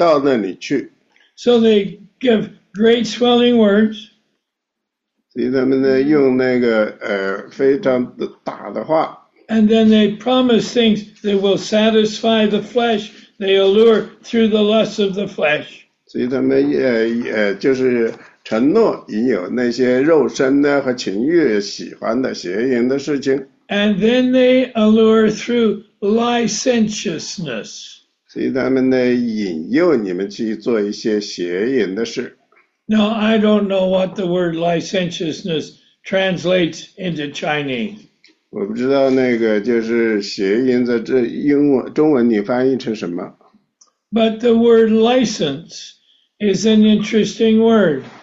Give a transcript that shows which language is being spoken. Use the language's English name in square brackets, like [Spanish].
[Chinese] 所以呢，他们呢想对你我这样的基督徒得救的人呢，他想跟我们说话，说话呢又用那些就是说我们已经逃离了过去的那种不应该有的那个生活方式，让我们引诱我们回到那里去。 [English] So they give great swelling words. [Chinese] 所以他们呢用那个非常大的话。 [English] And then they promise things that will satisfy the flesh. They allure through the lusts of the flesh. [Chinese] 所以他们也就是承诺引诱那些肉身的和情欲喜欢的邪淫的事情。 [English] And then they allure through licentiousness. [Chinese] 所以他们呢引诱你们去做一些邪淫的事。 [English] Now I don't know what the word licentiousness translates into Chinese. [Chinese] 我不知道那个就是邪淫在这英文中文你翻译成什么。 [English] But the word license is an interesting word.